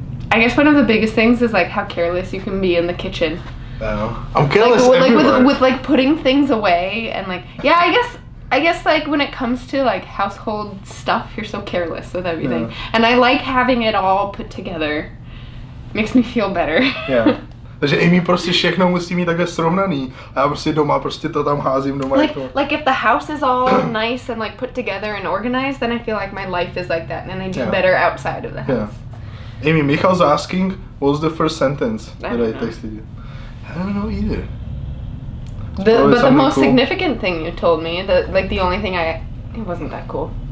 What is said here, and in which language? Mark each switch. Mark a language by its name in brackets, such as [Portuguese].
[English] I guess one of the biggest things is like how careless you can be in the kitchen. I'm careless like, everywhere. With like putting things away and like, yeah, I guess like when it comes to like household stuff, you're so careless with everything. Yeah. And I like having it all put together. It makes me feel better. Yeah. [Czech] Takže Amy prostě všechno musí mít takhle srovnaný a já prostě doma prostě to tam házím doma like, jako. [English] Like if the house is all nice and like put together and organized, then I feel like my life is like that and I do yeah. better outside of the house. Yeah. Amy, Michal's asking, what was the first sentence that I texted you? I don't know either. But the most cool. significant thing you told me, the only thing it wasn't that cool.